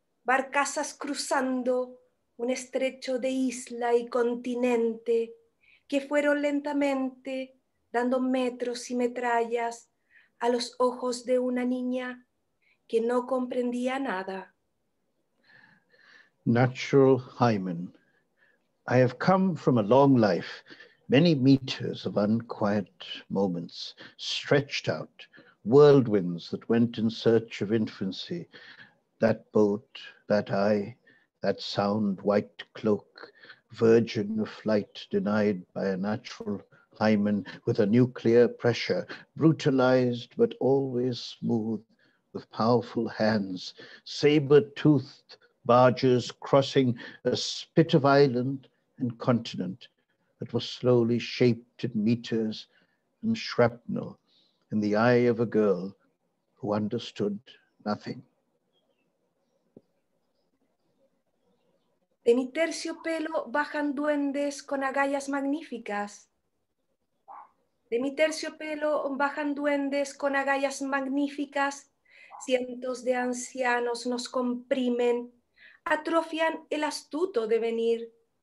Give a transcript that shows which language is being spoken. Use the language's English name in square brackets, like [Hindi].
[Spanish] barcazas cruzando un estrecho de isla y continente que fueron lentamente dando metros y metrallas a los ojos de una niña que no comprendía nada. [English] Natural Hymen, I have come from a long life, many meters of unquiet moments stretched out, whirlwinds that went in search of infancy, that boat, that eye, that sound white cloak, virgin of flight denied by a natural hymen with a nuclear pressure, brutalized but always smooth with powerful hands, saber-toothed barges crossing a spit of island and continent that was slowly shaped in meters and shrapnel in the eye of a girl who understood nothing. [Spanish] De mi terciopelo bajan duendes con agallas magníficas. De mi terciopelo bajan duendes con agallas magníficas. Cientos de ancianos nos comprimen, atrofian el astuto devenir.